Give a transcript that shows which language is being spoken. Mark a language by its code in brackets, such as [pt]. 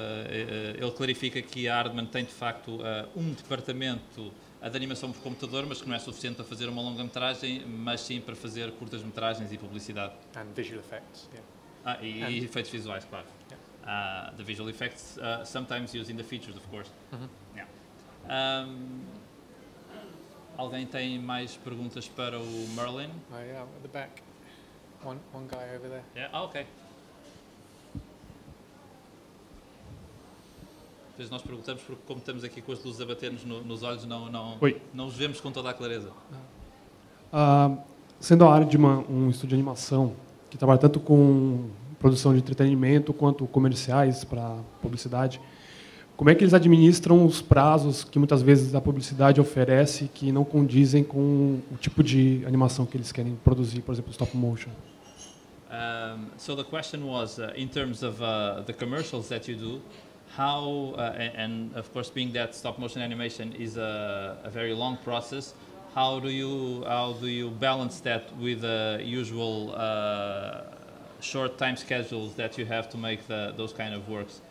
[pt] Ele clarifica que a Aardman tem, de facto, um departamento de animação por computador, mas que não é suficiente para fazer uma longa-metragem, mas sim para fazer curtas-metragens e publicidade. [en] And visual effects, yeah. [pt] E efeitos visuais, claro. [en] Yeah. The visual effects, sometimes using the features, of course. Mm-hmm. [pt] Yeah. Alguém tem mais perguntas para o Merlin? [en] Oh, yeah, at the back. One guy over there. Yeah, oh, okay. [pt] Depois nós perguntamos porque, como estamos aqui com as luzes a bater-nos nos olhos, não os vemos com toda a clareza. Sendo a Aardman um estúdio de animação que trabalha tanto com produção de entretenimento quanto comerciais para publicidade, como é que eles administram os prazos que muitas vezes a publicidade oferece que não condizem com o tipo de animação que eles querem produzir, por exemplo, stop motion? [en] So the question was, in terms of the commercials that you do, how, and of course being that stop motion animation is a very long process, how do you balance that with the usual short time schedules that you have to make those kind of works?